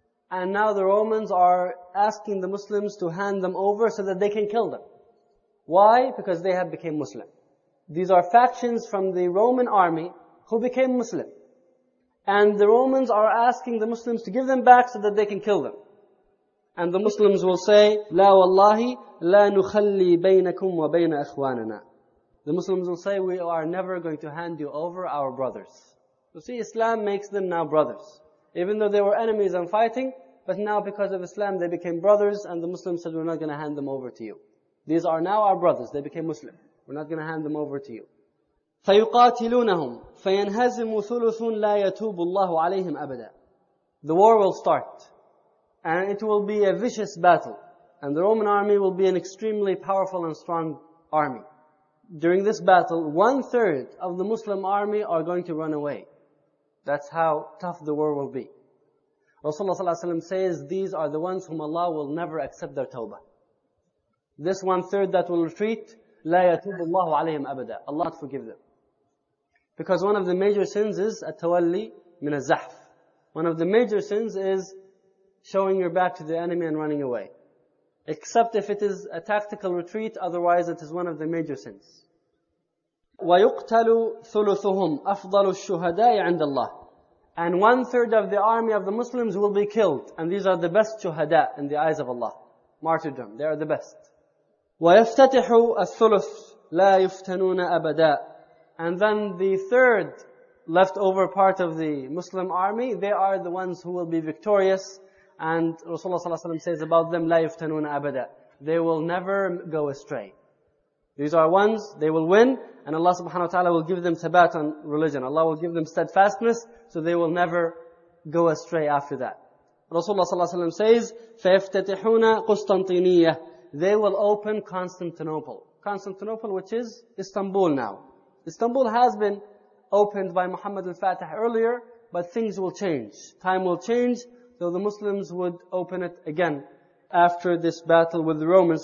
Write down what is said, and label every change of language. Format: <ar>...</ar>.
<en>And now the Romans are asking the Muslims to hand them over so that they can kill them. Why? Because they have become Muslim. These are factions from the Roman army who became Muslim. And the Romans are asking the Muslims to give them back so that they can kill them. And the Muslims will say,</en> <ar>لا والله لا نخلي بينكم وبين أخواننا.</ar> <en>The Muslims will say, we are never going to hand you over our brothers. You see, Islam makes them now brothers. Even though they were enemies and fighting, but now because of Islam they became brothers, and the Muslims said, we're not going to hand them over to you. These are now our brothers, they became Muslim. We're not going to hand them over to you.</en> <ar>فَيُقَاتِلُونَهُمْ فَيَنْهَزِمُ ثُلُثٌ لَا يَتُوبُ اللَّهُ عَلَيْهِمْ أَبَدًا.</ar> <en>The war will start. And it will be a vicious battle. And the Roman army will be an extremely powerful and strong army. During this battle, 1/3 of the Muslim army are going to run away. That's how tough the war will be. Rasulullah ﷺ says, these are the ones whom Allah will never accept their tawbah. This 1/3 that will retreat,</en> <ar>لا يتوب الله عليهم أبدا.</ar> <en>Allah forgive them. Because one of the major sins is</en> <ar>التولي من الزحف.</ar> <en>One of the major sins is showing your back to the enemy and running away. Except if it is a tactical retreat, otherwise it is one of the major sins.</en> <ar>وَيُقْتَلُ ثُلُثُهُمْ أَفْضَلُ الشُّهَدَاءِ عِنْدَ اللَّهِ.</ar> <en>And 1/3 of the army of the Muslims will be killed. And these are the best shuhada in the eyes of Allah. Martyrdom, they are the best.</en> <ar>وَيَفْتَتِحُ الثُّلُثُ لَا يُفْتَنُونَ أَبَدًا.</ar> <en>And then the third leftover part of the Muslim army, they are the ones who will be victorious. And Rasulullah ﷺ says about them,</en> <ar>لَا يُفْتَنُونَ أَبَدًا.</ar> <en>They will never go astray. These are ones, they will win, and Allah subhanahu wa ta'ala will give them thabat on religion. Allah will give them steadfastness, so they will never go astray after that. Rasulullah ﷺ says,</en> <ar>فَيَفْتَتِحُونَ قُسْطَنْطِينِيَّةِ.</ar> <en>They will open Constantinople. Constantinople, which is Istanbul now. Istanbul has been opened by Muhammad al-Fatih earlier, but things will change. Time will change, so the Muslims would open it again after this battle with the Romans.</en>